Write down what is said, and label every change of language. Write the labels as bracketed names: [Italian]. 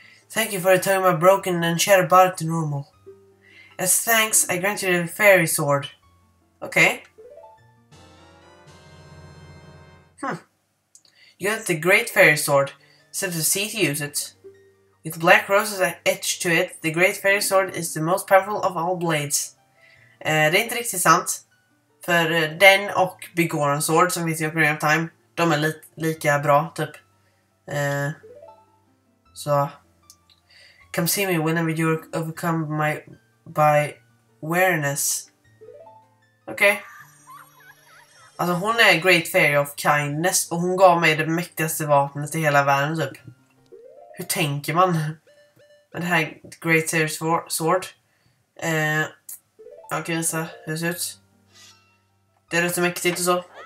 [English] Thank you for returning my broken and shattered body to normal. As thanks, I grant you a fairy sword. Okay. You have the great fairy sword. Set the sea to use it. With black roses etched to it, the great fairy sword is the most powerful of all blades. [Swedish] Det är inte riktigt sant. För den och Bigoran sword som finns i Ocarina of Time, de är lika bra, typ. Så... [English] Come see me whenever you're overcome by awareness. Okej. Okay. [Swedish] Alltså hon är Great Fairy of Kindness och hon gav mig det mäktigaste vapnet i hela världen typ. Hur tänker man? Med det här Great Fairy Sword. Jag kan visa hur det ser ut. Det är rätt mäktigt och så.